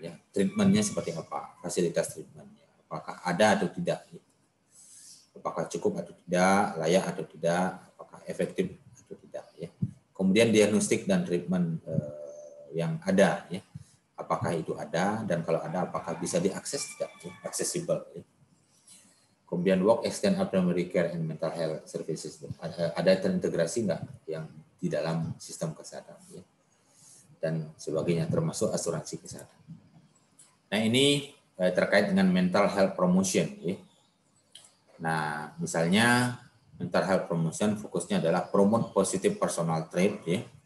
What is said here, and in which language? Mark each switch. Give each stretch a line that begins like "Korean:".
Indonesian: Ya, treatmentnya seperti apa? Fasilitas treatmentnya? Apakah ada atau tidak? Apakah cukup atau tidak? Layak atau tidak? Apakah efektif atau tidak? Ya. Kemudian diagnostik dan treatment yang ada, ya. Apakah itu ada, dan kalau ada, apakah bisa diakses tidak, ya, accessible. Ya. Kemudian,
English: work extend of primary care and mental health services.
Indonesian: Ada terintegrasi nggak yang di dalam sistem kesehatan? Ya. Dan sebagainya, termasuk asuransi kesehatan. Nah, ini terkait dengan
English: mental health promotion.
Indonesian: Ya. Nah, misalnya,
English: mental health promotion
Indonesian: fokusnya adalah
English: promote positive personal trait,
Indonesian: ya.